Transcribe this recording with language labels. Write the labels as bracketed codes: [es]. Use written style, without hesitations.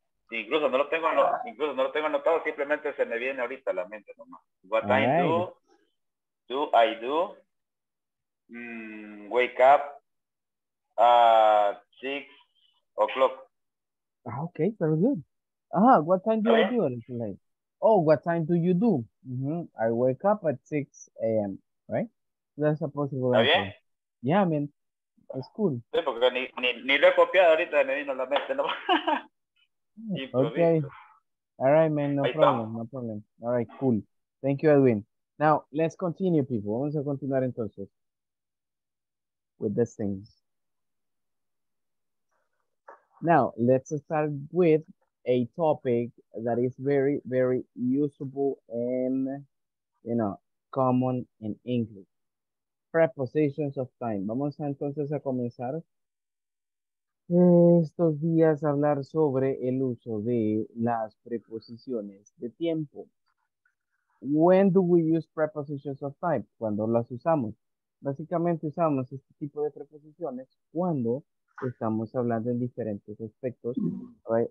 [es] Incluso no lo tengo anotado, simplemente se me viene ahorita a la mente nomás. [en] What time do I wake up at 6 o'clock? Okay, very good. What time do I do it today? Oh, what time do you do? I wake up at 6 a.m. Right? That's a possible answer. Yeah, I mean, it's cool. [es] Sí, porque ni lo he copiado ahorita, me vino la mente, ¿no? [en] Okay. All right, man, no problem. All right, cool. Thank you, Edwin. Now, let's continue, people. [es] Vamos a continuar entonces [en] with these things. Now, let's start with a topic that is very, very usable and, you know, common in English. Prepositions of time. [es] Vamos entonces a comenzar estos días a hablar sobre el uso de las preposiciones de tiempo. [en] When do we use prepositions of time? [es] Cuando las usamos. Básicamente usamos este tipo de preposiciones cuando estamos hablando en diferentes aspectos, [en] right?